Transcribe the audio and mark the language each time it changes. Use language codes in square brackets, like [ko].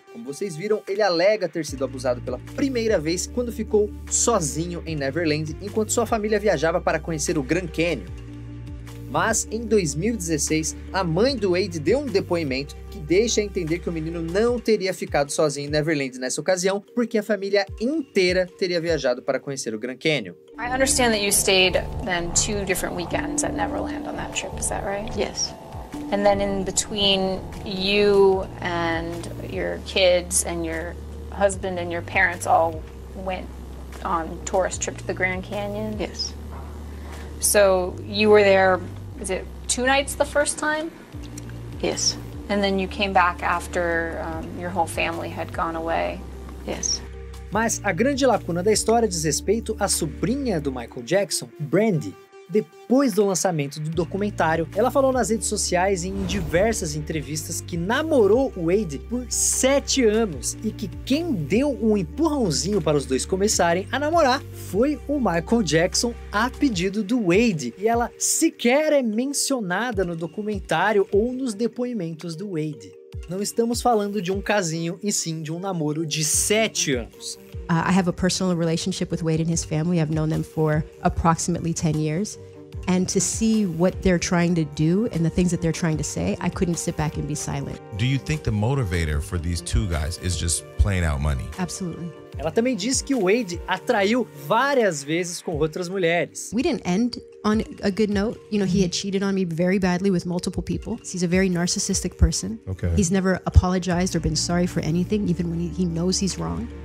[pt] Como vocês viram, ele alega ter sido abusado pela primeira vez quando ficou sozinho em Neverland enquanto sua família viajava para conhecer o Grand Canyon. Mas, em 2016, a mãe do Wade deu um depoimento que deixa entender que o menino não teria ficado sozinho em Neverland nessa ocasião, porque a família inteira teria viajado para conhecer o Grand Canyon. [en] I understand that you stayed then 2 different weekends at Neverland on that trip, is that right? Yes. And then in between you and your kids and your husband and your parents all went on a tourist trip to the Grand Canyon? Yes. So you were there, is it 2 nights the first time? Yes. And then you came back after your whole family had gone away? Yes. [pt] Mas a grande lacuna da história diz respeito à sobrinha do Michael Jackson, Brandy. Depois do lançamento do documentário, ela falou nas redes sociais e em diversas entrevistas que namorou o Wade por 7 anos e que quem deu um empurrãozinho para os dois começarem a namorar foi o Michael Jackson a pedido do Wade. E ela sequer é mencionada no documentário ou nos depoimentos do Wade. Não estamos falando de um casinho, e sim de um namoro de 7 anos. [en] I have a personal relationship with Wade and his family. I've known them for approximately 10 years. And to see what they're trying to do and the things that they're trying to say, I couldn't sit back and be silent. Do you think the motivator for these two guys is just plain out money? Absolutely. [pt] Ela também disse que o Wade atraiu várias vezes com outras mulheres. [en] We didn't end on a good note. You know, he had cheated on me very badly with multiple people. He's a very narcissistic person. Okay. He's never apologized or been sorry for anything, even when he knows he's wrong.